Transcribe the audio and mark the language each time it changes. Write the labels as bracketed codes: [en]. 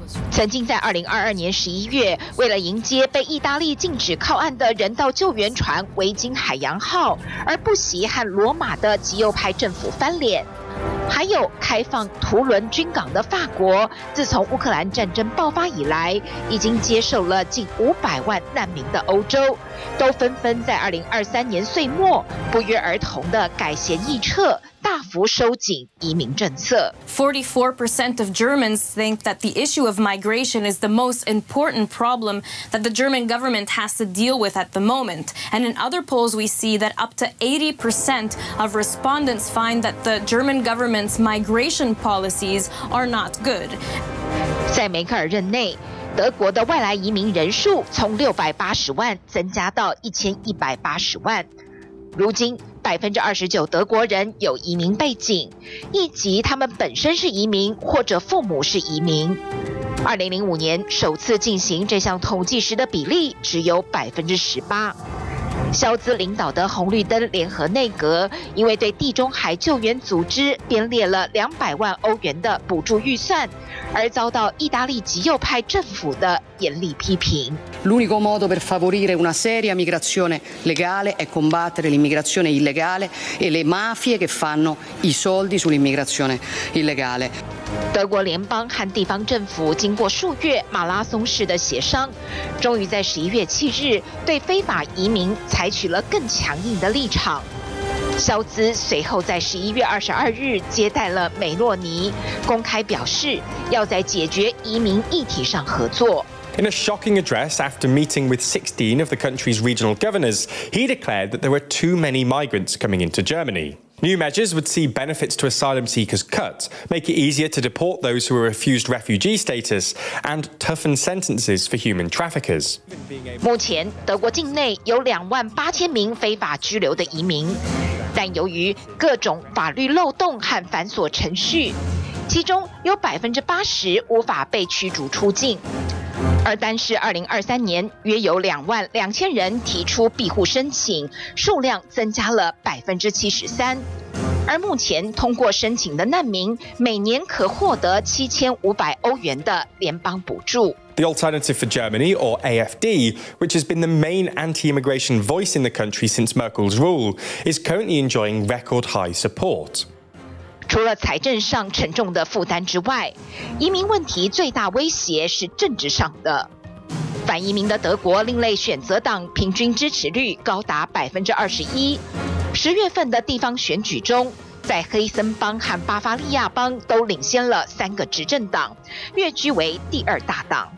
[zh] 曾经在2022年11月为了迎接被意大利禁止靠岸的人道救援船“维京海洋号”而不惜和罗马的极右派政府翻脸，还有开放图伦军港的法国，自从乌克兰战争爆发以来，已经接受了近500万难民的欧洲，都纷纷在2023年岁末不约而同的改弦易辙，大幅收紧移民政策。 [en] 44% of Germans think that the issue of migration is the most important problem that the German government has to deal with at the moment. And in other polls, we see that up to 80% of respondents find that the German government's migration policies are not good. [zh] 在梅克尔任内，德国的外来移民人数从680万增加到1180万。如今29%德国人有移民背景，以及他们本身是移民或者父母是移民。 2005年首次进行这项统计时的比例只有18%。肖兹领导的红绿灯联合内阁因为对地中海救援组织编列了200万欧元的补助预算，而遭到意大利极右派政府的严厉批评。 [it] L'unico modo per favorire una seria migrazione legale è combattere l'immigrazione illegale e le mafie che fanno i soldi sull'immigrazione illegale。 [zh] 德国联邦和地方政府经过数月马拉松式的协商，终于在11月7日对非法移民采取了更强硬的立场。肖兹随后在11月22日接待了梅洛尼，公开表示要在解决移民议题上合作。 [en] In a shocking address after meeting with 16 of the country's regional governors, he declared that there were too many migrants coming into Germany. New measures would see benefits to asylum seekers cut, make it easier to deport those who are refused refugee status, and toughen sentences for human traffickers. [zh] 目前，德国境内有28000名非法拘留的移民，但由于各种法律漏洞和繁琐程序，其中有80%无法被驱逐出境。而单是2023年，约有22000人提出庇护申请，数量增加了73%。而目前通过申请的难民，每年可获得7500欧元的联邦补助。 [en] The Alternative for Germany, or AfD, which has been the main anti-immigration voice in the country since Merkel's rule, is currently enjoying record high support. [zh] 除了财政上沉重的负担之外，移民问题最大威胁是政治上的。反移民的德国另类选择党平均支持率高达21%。 10月份的地方选举中，在黑森邦和巴伐利亚邦都领先了3个执政党，跃居为第二大党。